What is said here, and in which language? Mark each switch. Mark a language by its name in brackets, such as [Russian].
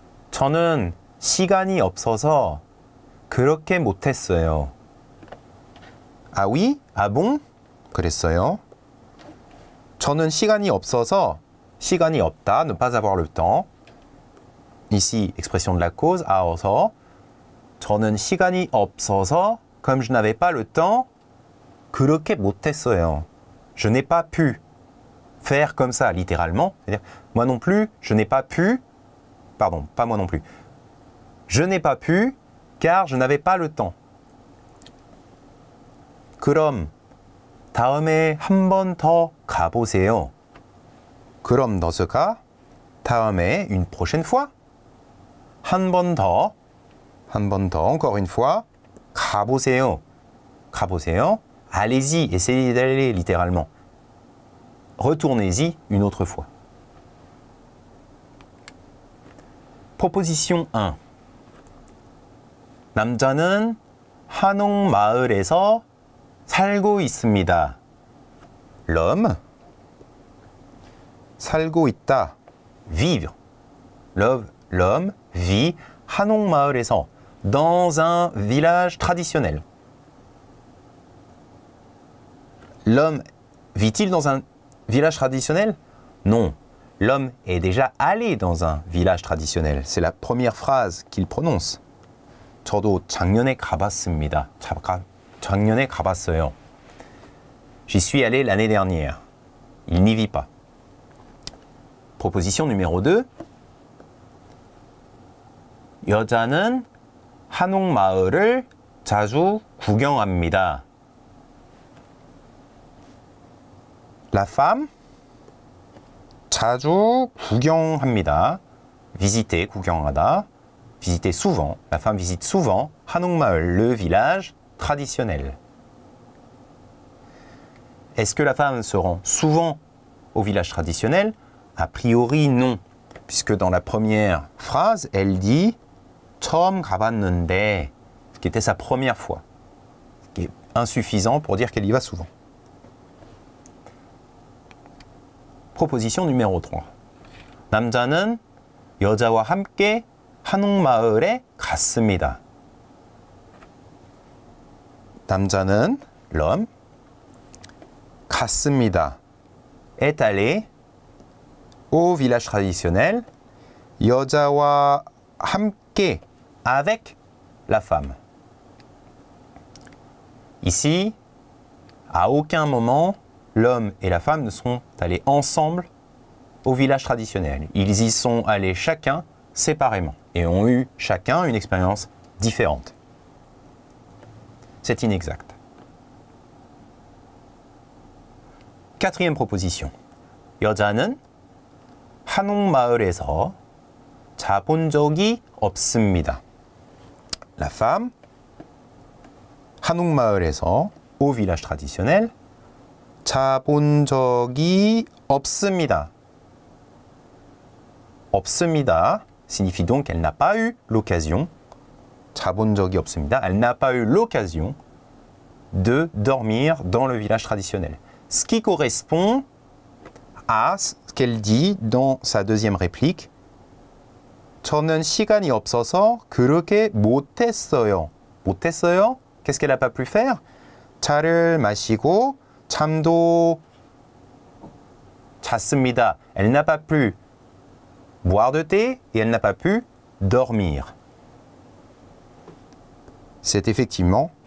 [Korean] 저는 시간이 없어서 그렇게 못했어요. [French] Ah oui? Ah bon? [Korean] 그랬어요? 저는 시간이 없어서 시간이 없다, [French] ne pas avoir le temps. Ici, expression de la cause, [Korean] 아어서 저는 시간이 없어서 [French] comme je n'avais pas le temps, [Korean] 그렇게 못했어요. [French] Je n'ai pas pu faire comme ça, littéralement. C'est-à-dire, moi non plus, je n'ai pas pu. Pardon, pas moi non plus. Je n'ai pas pu, car je n'avais pas le temps. [Korean] 그럼, 다음에 한 번 더 가보세요. 그럼 너스가 다음에 [French] une prochaine fois [Korean] 한 번 더 한 번 더 [French] encore une fois [Korean] 가보세요. 가보세요. [French] Allez-y, essayez d'aller littéralement. Retournez-y une autre fois. Proposition 1. [Korean] 남자는 한옥 마을에서 살고 있습니다. [French] L'homme [Korean] 살고 있다. [French] Vivre. L'homme vit [Korean] 한옥 마을에서 [French] dans un village traditionnel. L'homme vit-il dans un village traditionnel ? Non. L'homme est déjà allé dans un village traditionnel. C'est la première phrase qu'il prononce. [Korean] 저도 작년에 가봤습니다. 작년에 가봤어요. [French] J'y suis allé l'année dernière. Il n'y vit pas. Proposition numéro 2. [Korean] 여자는 한옥 마을을 자주 구경합니다. [French] La femme [Korean] 자주 구경합니다. [French] Visiter, 구경하다. Visiter souvent. La femme visite souvent 한옥마을, le village traditionnel. Est-ce que la femme se rend souvent au village traditionnel ? A priori, non. Puisque dans la première phrase, elle dit [Korean] 처음 가봤는데, [French] ce qui était sa première fois. Ce qui est insuffisant pour dire qu'elle y va souvent. Proposition numéro 3. [Korean] 남자는 여자와 함께 한옥 마을에 갔습니다. 남자는 [French] l'homme [Korean] 갔습니다. [French] Est allé au village traditionnel [Korean] 여자와 함께 [French] avec la femme. Ici, à aucun moment l'homme et la femme ne sont allés ensemble au village traditionnel. Ils y sont allés chacun séparément et ont eu chacun une expérience différente. C'est inexact. Quatrième proposition. [Korean] 여자는 한옥 마을에서 자본 적이 없습니다. [French] La femme [Korean] 한옥 마을에서 [French] au village traditionnel [Korean] 자본 적이 없습니다. 없습니다 [French] signifie donc qu'elle n'a pas eu l'occasion. [Korean] 자본 적이 없습니다. [French] Elle n'a pas eu l'occasion de dormir dans le village traditionnel. Ce qui correspond à ce qu'elle dit dans sa deuxième réplique. [Korean] 저는 시간이 없어서 그렇게 못했어요. 못했어요? [French] Qu'est-ce qu'elle n'a pas pu faire? [Korean] 차를 마시고 잠도 잤습니다. [French] Elle n'a pas pu boire de thé et elle n'a pas pu dormir. C'est effectivement